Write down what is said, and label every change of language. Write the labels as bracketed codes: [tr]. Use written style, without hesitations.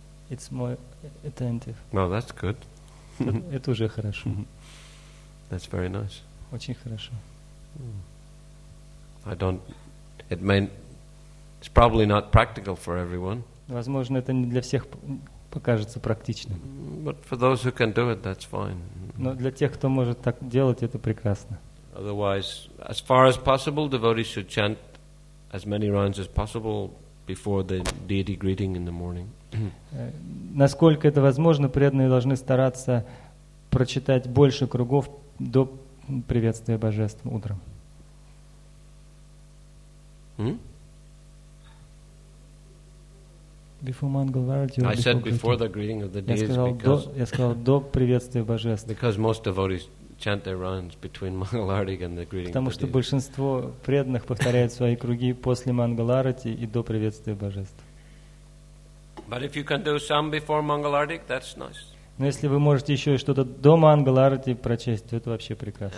[en] It's more attentive. Well, that's good. [ru] Это уже хорошо. [en] That's very nice. [ru] Очень хорошо. [en] I don't. It may. It's probably not practical for everyone. [ru] Возможно, это не для всех покажется практичным. [en] But for those who can do it, that's fine. [ru] Но для тех, кто может так делать, это прекрасно. [en] Otherwise, as far as possible, devotees should chant as many rounds as possible before the deity greeting in the morning. [ru] Насколько это возможно, преданные должны стараться прочитать больше кругов до приветствия божеств утром. [en] Before Mangalarati. I said before the greeting of the deity. [ru] Я сказал до приветствия божеств. [en] Because most devotees chant their rounds between Mangalarati and the greeting. [ru] Потому что большинство преданных повторяют свои круги после Мангаларати и до приветствия божеств. [en] But if you can do some before Mangalarati, that's nice. [ru] Но если вы можете еще и что-то до Мангаларати прочесть, то это вообще прекрасно.